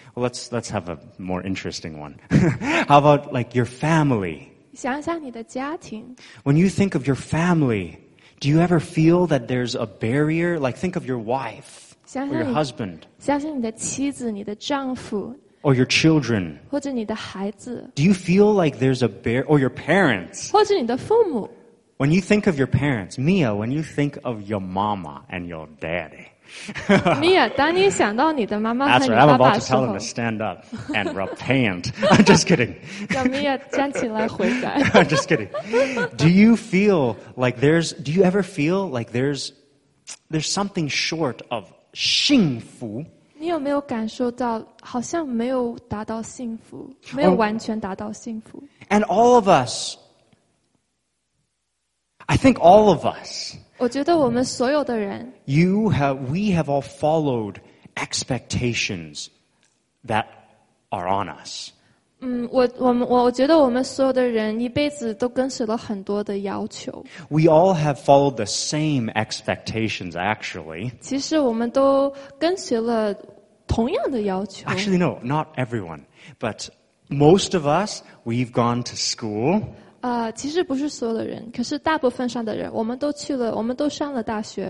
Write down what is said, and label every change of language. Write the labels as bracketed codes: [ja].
[en] Well, let's have a more interesting one. How about like your family? [zh] 想想你的家庭。 [en] When you think of your family, do you ever feel that there's a barrier? Like think of your wife, [zh] 想想 [en] or your husband. [zh] 想想你的妻子，你的丈夫。 [en] Or your children. [zh] 或者你的孩子。 [en] Do you feel like there's a barrier? Or your parents. [zh] 或者你的父母。 [en] When you think of your parents, Mia, when you think of your mama and your daddy. [zh] Mia, 当你想到你的妈妈和你爸爸的时候。 [en] That's right, I'm about to tell them to stand up and repent. I'm just kidding. [zh] 让 Mia 站起来悔改。 [en] I'm just kidding. Do you ever feel like there's something short of 幸福? [zh] 你有没有感受到好像没有达到幸福,没有完全达到幸福? [en] And all of us, I think all of us, [zh] 我觉得我们所有的人 [en] we have all followed expectations that are on us. [zh] 我觉得我们所有的人一辈子都跟随了很多的要求。 [en] We all have followed the same expectations, actually. [zh] 其实我们都跟随了同样的要求。 [en] Actually, no, not everyone. But most of us, we've gone to school. [zh] 其实不是所有的人，可是大部分上的人，我们都去了，我们都上了大学。